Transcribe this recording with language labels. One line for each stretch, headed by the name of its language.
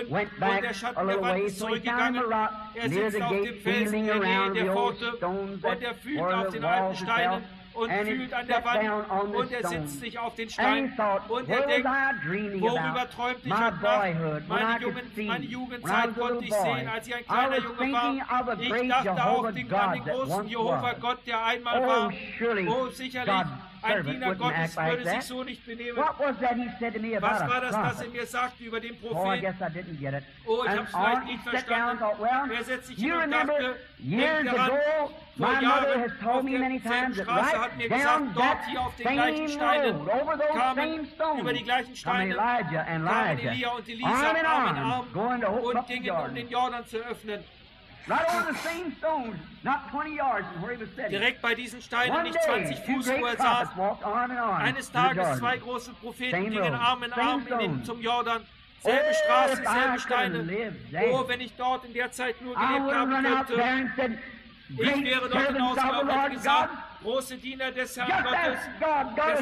English: Went back a little way, so he found the rock near the gate, feeling around the old stones that were on the walls itself, and he sat down on the stone, and he thought, what was I dreaming about? My boyhood, when I could see, when I was a little boy, I was thinking of a great Jehovah God that once was. Oh, surely, God
German: ein Diener Gottes würde sich so nicht benehmen.
English: What was that he said to me about
German: was war das, was er mir sagte über den Propheten?
English: Oh, I guess I didn't get it.
German: Oh, ich habe es vielleicht nicht verstanden.
English: Thought, well,
German: er setzt sich hin und dachte,
English: years ago, my mother has told me many times that right down
German: dort hier auf den gleichen Steinen über die gleichen Steine
English: Elijah and Elijah,
German: Elia und Elisa arm in arm
English: going to
German: und gingen, um den Jordan zu öffnen.
English: Right over the same stone, not 20 yards from where he was sitting.
German: Direkt bei diesen Steinen, nicht 20 Fuß, wo er saß. Eines Tages zwei große Propheten gingen arm in arm zum Jordan. Selbe Straße, selbe Steine. Oh, wenn ich dort in der Zeit nur gelebt haben könnte. Ich wäre dort hinausgegangen und gesagt, große Diener des Herrn Gottes,